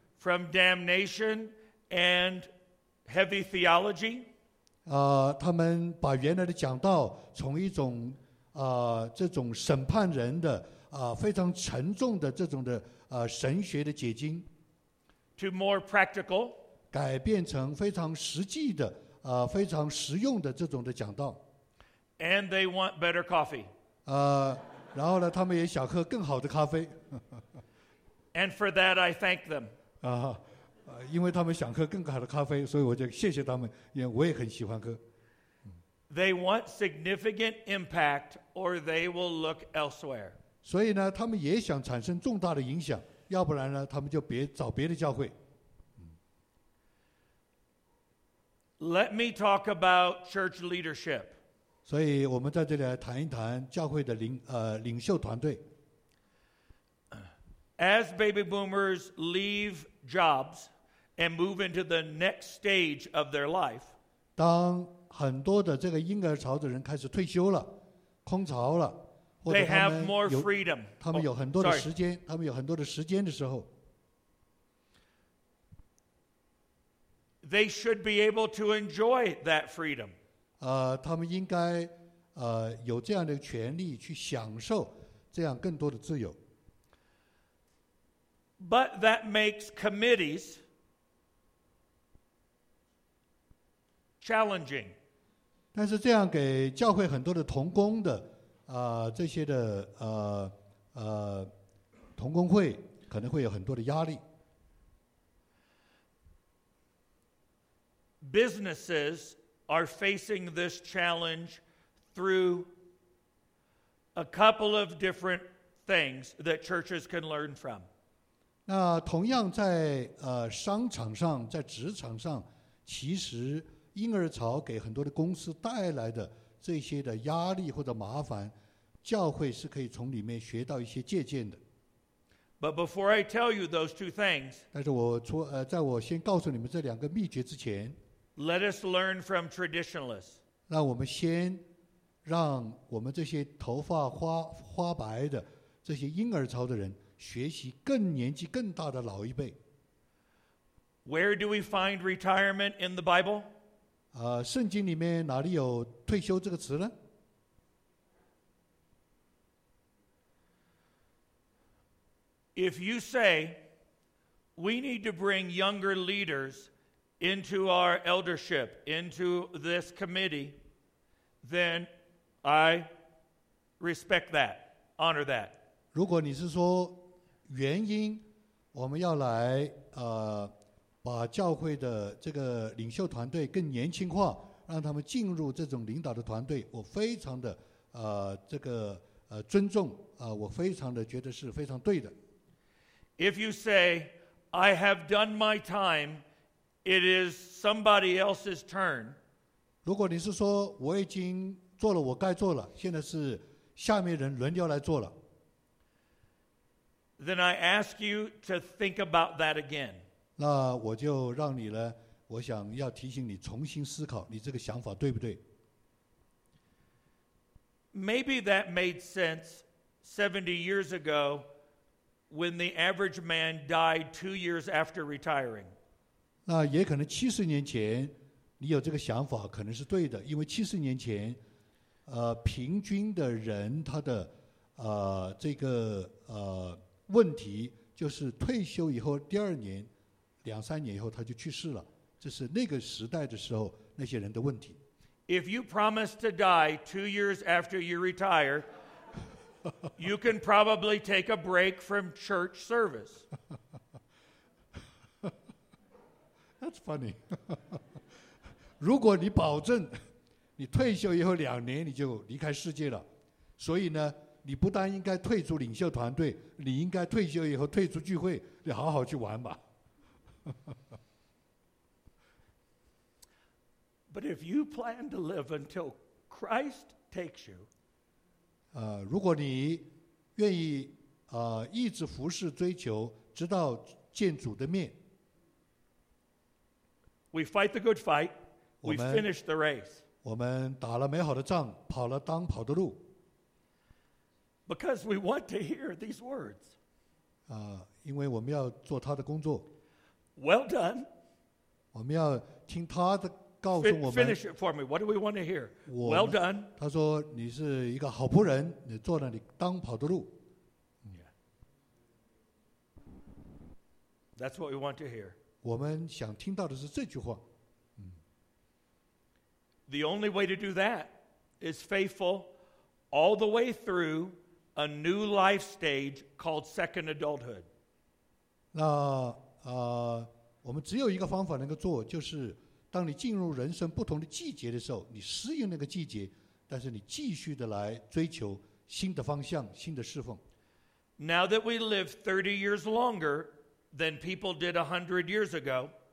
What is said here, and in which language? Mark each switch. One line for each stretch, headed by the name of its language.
English: From damnation and heavy theology.
Chinese: 他们把原来的讲道从一种这种审判人的非常沉重的这种的神学的解经
English: to more practical,
Chinese: 改变成非常实际的非常实用的这种的讲道。
English: And they want better coffee.
Chinese: 然后呢他们也想喝更好的咖啡。
English: And for that I thank them.
Chinese: 因为他们想喝更好的咖啡，所以我就谢谢他们，因为我也很喜欢喝。
English: They want significant impact or they will look elsewhere.
Chinese: 所以呢他们也想产生重大的影响，要不然呢他们就别找别的教会。
English: Let me talk about church leadership.
Chinese: 所以我们在这里来谈一谈教会的领袖团队。
English: As baby boomers leave jobs and move into the next stage of their life,
Chinese: 当很多的这个婴儿潮的人开始退休了，空巢了，
English: They have more freedom.
Chinese: 他们有很多的时间，他们有很多的时间的时候。
English: They should be able to enjoy that freedom.
Chinese: 他们应该有这样的权利去享受这样更多的自由。
English: But that makes committees challenging.
Chinese: 但是这样给教会很多的同工的这些的同工会可能会有很多的压力。
English: Businesses are facing this challenge through a couple of different things that churches can learn from.
Chinese: 那同样在商场上，在职场上，其实婴儿潮给很多的公司带来的这些的压力或者麻烦，教会是可以从里面学到一些借鉴的。
English: But before I tell you those two things,
Chinese: 但是在我先告诉你们这两个秘诀之前，
English: Let us learn from traditionalists.
Chinese: 让我们先让我们这些头发 花白的这些婴儿潮的人学习更年纪更大的老一辈。
English: Where do we find retirement in the Bible?
Chinese: 圣经里面哪里有退休这个词呢？
English: If you say we need to bring younger leaders into our eldership, into this committee, then I respect that, honor that.
Chinese: 如果你是说原因我们要来把教会的这个领袖团队更年轻化，让他们进入这种领导的团队，我非常的这个尊重我非常的觉得是非常对的。
English: If you say I have done my time, it is somebody else's turn.
Chinese: 如果你是说我已经做了我该做了，现在是下面人轮流来做了。
English: Then I ask you to think about that again.
Chinese: 那我就让你呢，我想要提醒你重新思考，你这个想法对不对？
English: Maybe that made sense 70 years ago when the average man died 2 years after retiring.
Chinese: 那也可能70年前你有这个想法可能是对的，因为70年前平均的人他的这个问题就是退休以后第二年两三年以后他就去世了，这是那个时代的时候那些人的问题。
English: If you promise to die 2 years after you retire, you can probably take a break from church service. That's funny.
Chinese: 如果你保证你退休以后两年你就离开世界了，所以呢你不但应该退出领袖团队，你应该退休以后退出聚会，你好好去玩吧。
English: But if you plan to live until Christ takes you,
Chinese: 如果你愿意一直服侍追求，直到见主的面。
English: We fight the good fight, we finish the race.
Chinese: 我们打了美好的仗，跑了当跑的路。
English: Because we want to hear these words.
Chinese: 因为我们要做他的工作。
English: Well done.
Chinese: 我们要听他的告诉我们。
English: Finish it for me. What do we want to hear? Well done.
Chinese: 他说你是一个好仆人，你做了你当跑的路。 Yeah.
English: That's what we want to hear.
Chinese: 我们想听到的是这句话。
English: The only way to do that is faithful all the way through a new life stage called second adulthood.
Chinese: 那我们只有一个方法能够做，就是当你进入人生不同的季节的时候，你适应那个季节，但是你继续的来追求新的方向，新的侍奉。
English: Now that we live 30 years longer than people did 100 years ago,